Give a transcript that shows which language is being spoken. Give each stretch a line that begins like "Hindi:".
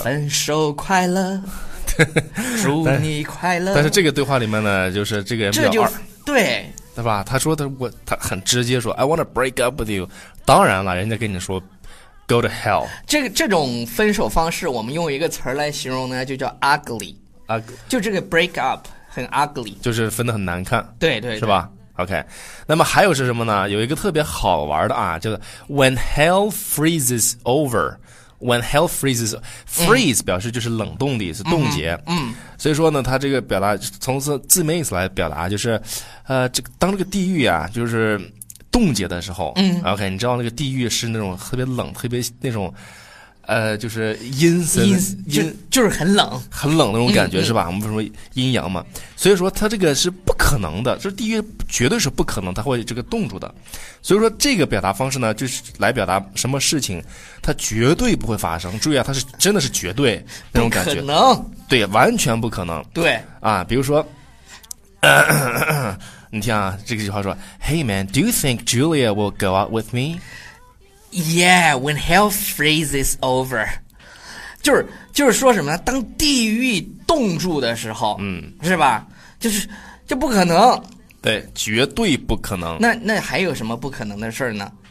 Chinese: 分手快乐祝你快乐。但是这个对话里面呢，就是这个人比较二，这就对对吧，他说的我他很直接说
English: I wanna break up with you，
Chinese: 当然了人家跟你说
English: Go to hell。
Chinese: 这种分手方式我们用一个词来形容呢，就叫 ugly。就这个
English: break up
Chinese: 很 ugly，就是分得很难看。对 对， 对是吧。 OK， 那么还有是什么呢？有一个特别好玩的啊，就是
English: when hell freezes over。 when hell freezes
Chinese: freeze 表示就是冷冻的意思，冻结。所以说呢，它这个表达从字面意思来表达，就是这当这个地狱啊就是冻结的时候，OK， 你知道那个地狱是那种特别冷，特别那种，就是阴森，就是很冷，很冷的那种感觉是吧？我们说阴阳嘛，所以说它这个是不可能的，这地狱绝对是不可能，它会这个冻住的。所以说这个表达方式呢，就是来表达什么事情它绝对不会发生。注意啊，它是真的是绝对那种感觉，不可能，对，完全不可能，对啊，比如说。你听啊，这个句话说
English: Hey man, do you think Julia will go out with me? Yeah, when hell freezes over.
Chinese: 就是说什么呢，当地狱冻住的时候，是吧，就是就不可能，对，绝对不可能。那还有什么不可能的事呢？